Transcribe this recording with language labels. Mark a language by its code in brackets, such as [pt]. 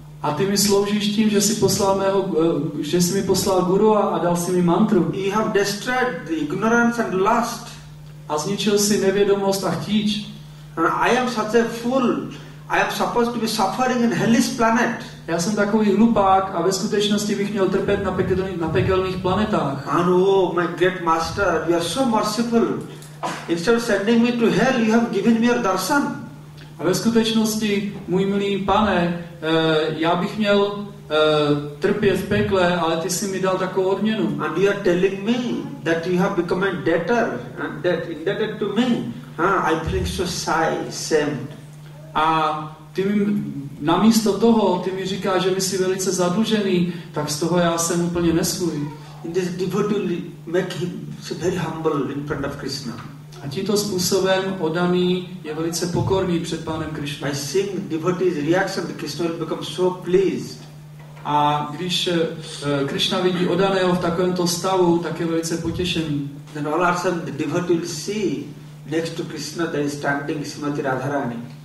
[cs] A ty mi sloužíš tím, že jsi poslal mého, že jsi mi poslal guru a dal jsi mi mantru. [en] You have destroyed the ignorance and lust. [cs] A zničil jsi nevědomost a chtíč. [en] And I am such a fool. I am supposed to be suffering in hellish planet. [cs] Já jsem takový hlupák a ve skutečnosti bych měl trpět na pekelných planetách. [en] Ano, my great master, you are so merciful. Instead of sending me to hell, you have given me your darshan. [cs] A ve skutečnosti, můj milý pane, já bych měl trpět v pekle, ale ty jsi mi dal takovou odměnu. [en] And you are telling me that you have become a debtor and that indebted to me. I feel so ashamed. [cs] A ty mi namísto toho, ty mi říkáš, že my jsi velice zadlužený, tak z toho já jsem úplně nesvůj. [en] This devotee make him very humble in front of Krishna. [cs] A tímto způsobem odaný je velice pokorný před pánem Krishna. [en] I seeing devotee's reaction, Krishna will become so pleased. [cs] A když Krishna vidí odaného v takovémto stavu, tak je velice potěšený. [en] Then all of a sudden the devotee will see next to Krishna there is standing Srimati Radharani.